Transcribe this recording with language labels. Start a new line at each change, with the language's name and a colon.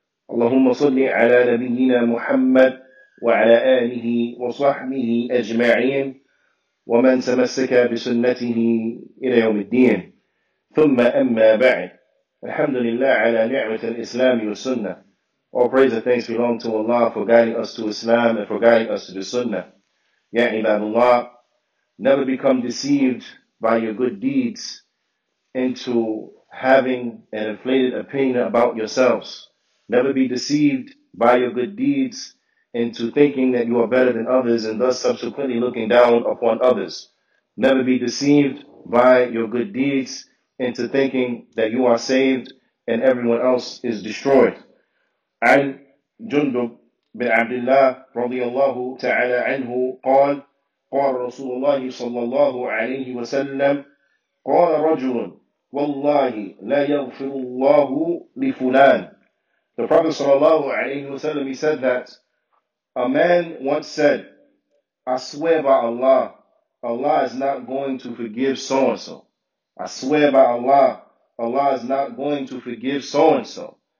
Arabic: اللهم صل على نبينا محمد وعلى آله وصحبه أجمعين ومن تمسك بسنته إلى يوم الدين. ثم أما بعد، الحمد لله على نعمة الإسلام والسنة.
English: All praise and thanks belong to Allah for guiding us to Islam and for guiding us to the Sunnah. Ya ibadullah, never become deceived by your good deeds into having an inflated opinion about yourselves. Never be deceived by your good deeds into thinking that you are better than others and thus subsequently looking down upon others. Never be deceived by your good deeds into thinking that you are saved and everyone else is destroyed.
Arabic: عن جندب بن عبد الله رضي الله تعالى عنه قال قال رسول الله صلى الله عليه وسلم قال رجل والله لا يغفر الله لفلان.
English: The Prophet صلى الله عليه وسلم, he said that a man once said, I swear by Allah, Allah is not going to forgive so-and-so. I swear by Allah, Allah is not going to forgive so-and-so.